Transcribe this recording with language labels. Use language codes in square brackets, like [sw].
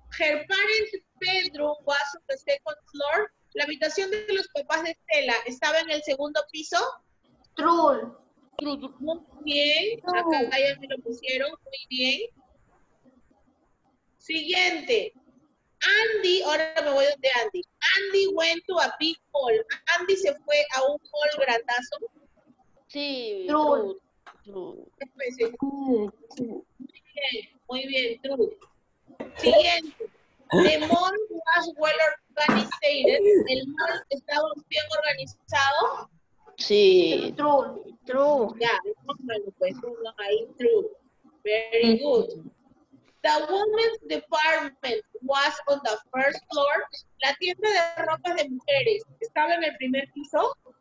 [en] Her parents' bedroom was on the second floor. [es] La habitación de los papás de Estela estaba en el segundo piso. [en] True. [es] Muy bien. True. Acá ya me lo pusieron. Muy bien. Siguiente. [en] Andy, [es] ahora me voy donde Andy. [en] Andy went to a big mall. [es] Andy se fue a un mall grandazo. Sí. [en] True. [es] Muy bien. Muy bien, true. Siguiente. [en] The mall was well organized. [es] El mall estaba bien organizado. Sí. [en] True. Ya, yeah, true. Very good. The women's department was on the first floor. [es] La tienda de ropa de mujeres estaba en el primer piso.